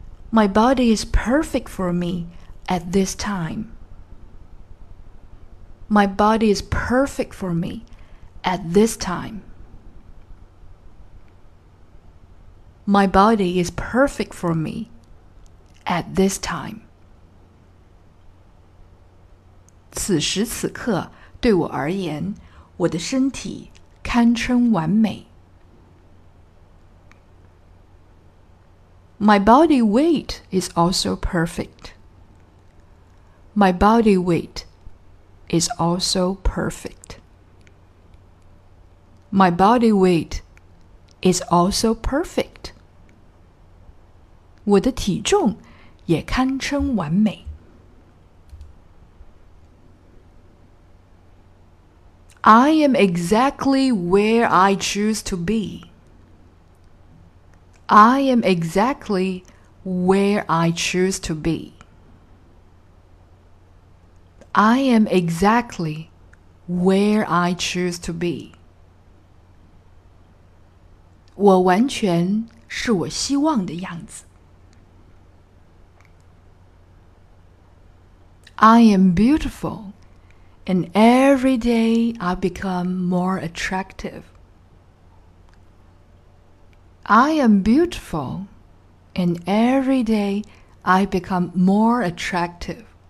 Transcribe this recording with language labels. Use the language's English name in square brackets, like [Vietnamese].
[English] My body is perfect for me at this time. My body is perfect for me at this time. My body is perfect for me at this time. [Chinese] 此时此刻对我而言，我的身体堪称完美。 [English] My body weight is also perfect. My body weight is also perfect. My body weight is also perfect. [Chinese] 我的体重也堪称完美。 [English] I am exactly where I choose to be. I am exactly where I choose to be. I am exactly where I choose to be. [Chinese] 我完全是我希望的样子。 [English] I am beautiful, and every day I become more attractive. I am beautiful, and every day I become more attractive.